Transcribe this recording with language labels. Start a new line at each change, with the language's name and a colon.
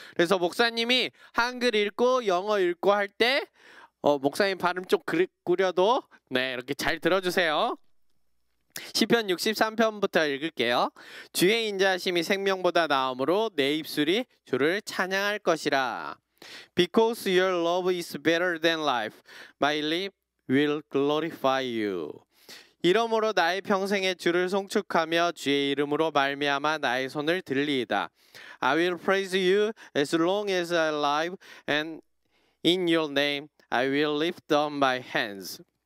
Korean: 그래서 목사님이 한글 읽고 영어 읽고 할 때 목사님 발음 좀 구려도 네 이렇게 잘 들어주세요. 시편 63편부터 읽을게요. 주의 인자하심이 생명보다 나음으로 내 입술이 주를 찬양할 것이라.
English: Because your love is better than life, my lip will glorify you.
Korean: 이러므로 나의 평생에 주를 송축하며 주의 이름으로 말미암아 나의 손을 들리이다.
English: I will praise you as long as I live, and in your name I will lift up my hands.